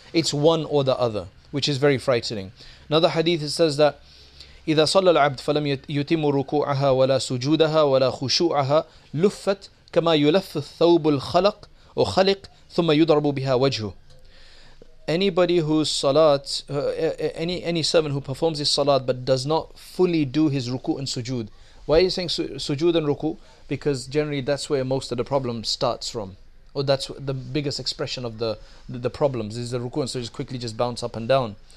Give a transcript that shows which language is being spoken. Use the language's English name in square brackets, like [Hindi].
[English] It's one or the other, which is very frightening. Another hadith says that [Arabic] إِذَا صَلَّ الْعَبْدُ فَلَمْ يُتِمُ رُكُوعَهَا وَلَا سُجُودَهَا وَلَا خُشُوعَهَا لُفَّتْ كَمَا يُلَفُّ الثَّوْبُ الْخَلَقُ وَخَلِقْ ثُمَّ يُضْرَبُ بِهَا وَجْهُ. [English] Anybody whose salat, any servant who performs his salat but does not fully do his ruku and sujood. Why are you saying sujood and ruku? Because generally that's where most of the problem starts from. Or that's the biggest expression of the problems, is the ruku and sujood quickly just bounce up and down.